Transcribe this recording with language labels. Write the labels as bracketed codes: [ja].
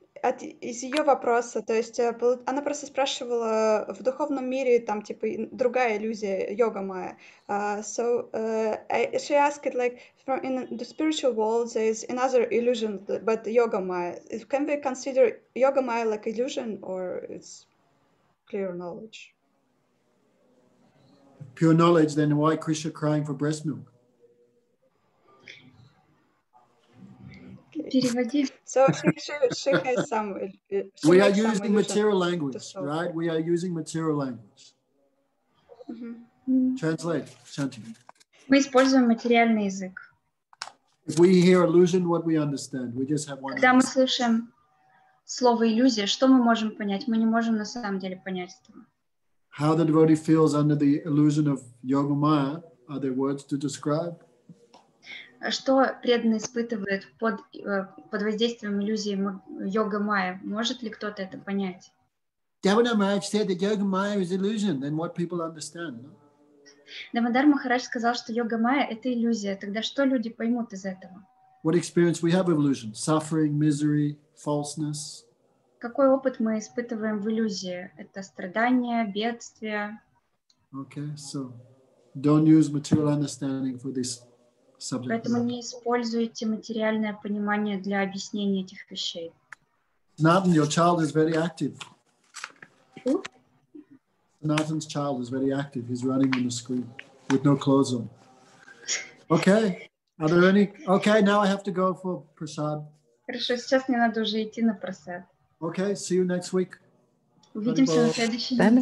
[ru] От из ее вопроса, то есть она просто спрашивала в духовном мире там типа другая иллюзия йога майя. [en] She asked like from in the spiritual world there is another illusion but yoga maya. Can we consider yoga maya like illusion or it's clear knowledge? Pure knowledge, then why Krishna crying for breast milk? So she has some. We are using material language, right? We are using material language. Mm-hmm. Translate, Shanti. [ru] Мы используем материальный язык. [en] If we hear illusion, what we understand? We just have one. [ru] Когда мы слышим слово иллюзия, что мы можем понять? Мы не можем на самом деле понять этого. [en] How the devotee feels under the illusion of yoga maya? Are there words to describe? [ru] Что преданный испытывает под воздействием иллюзии йога майя? Может ли кто-то это понять? [en] Devadhar Maharaj said that yoga maya is illusion, then what people understand? No? [ru] Devadhar Maharaj сказал, что йога майя — это иллюзия. Тогда что люди поймут из этого? [en] What experience we have of illusion? Suffering, misery, falseness? [ru] Какой опыт мы испытываем в иллюзии? Это страдания, бедствия? [en] Okay, so don't use material understanding for this. Subject. [ru] Поэтому не используйте материальное понимание для объяснения этих вещей. [en] Sanatan, your child is very active. Sanatan's child is very active. He's running on the screen with no clothes on. Okay. Are there any? Okay. Now I have to go for prasad. [ru] Хорошо, сейчас мне надо уже идти на просад. [en] Okay. See you next week. [ru] Увидимся на следующей неделе.